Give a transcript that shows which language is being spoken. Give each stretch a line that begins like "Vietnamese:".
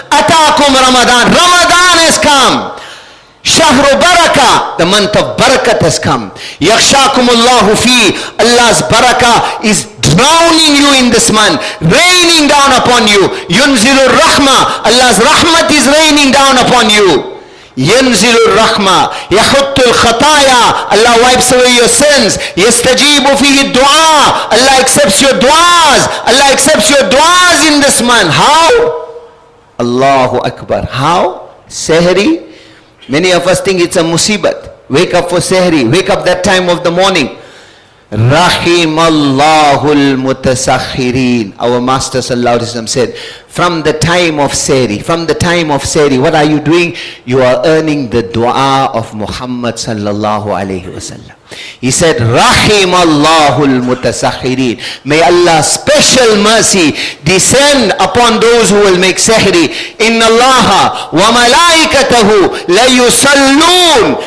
Arabic: Ataakum Ramadan.
English: Ramadan has come. Shahru Barakah, the month of barakat has come.
Arabic: Yakhshakum Allahu fi,
English: Allah's barakah is drowning you in this month, raining down upon you.
Arabic: Yunzilu rahma,
English: Allah's rahmat is raining down upon you.
Arabic: ينزل الرحمة يحط الخطايا.
English: Allah wipes away your sins.
Arabic: يستجيب فيه الدعاء.
English: Allah accepts your duas. Allah accepts your duas in this month. How? Allahu Akbar. How? Sehri. Many of us think it's a musibat. Wake up for Sehri. Wake up that time of the morning.
Arabic: رحم الله المتسخرين.
English: Our master sallallahu alaihi wasallam said, from the time of Sehri, from the time of Sehri, what are you doing? You are earning the dua of Muhammad sallallahu alaihi wasallam. He said,
Arabic: رحم الله المتسخرين.
English: May Allah's special mercy descend upon those who will make Sehri.
Arabic: إن الله وملائكته ليصلون.